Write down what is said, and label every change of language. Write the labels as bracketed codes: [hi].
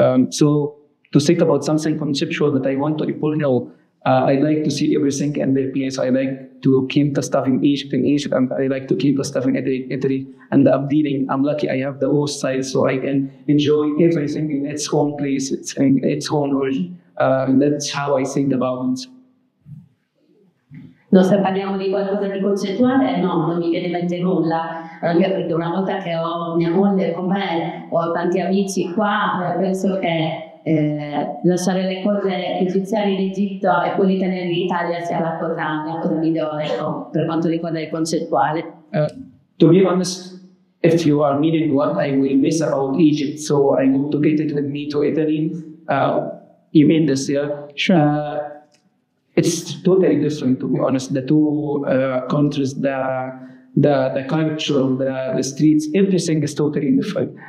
[en] So to think about something conceptual that I want to report, you know, I like to see everything in their place. I like to keep the stuff in Egypt, and I like to keep the stuff in Italy. And I'm lucky I have the host side, so I can enjoy everything in its own place, in its own origin. That's how I think about it. [it] No, se parliamo di qualcosa di concettuale, no, non mi viene in mente nulla. Io credo, una volta che ho mia moglie con me, ho tanti amici qua, penso che lasciare le cose egiziane in Egitto e poi tenere in Italia sia la cosa migliore, no, per quanto riguarda il concettuale. [en] To be honest, if you are meaning what I will miss about Egypt, so I want to get it with me to Italy, you mean this, yeah? Sure. It's totally different, to be honest. The two countries, the culture, the streets, everything is totally different.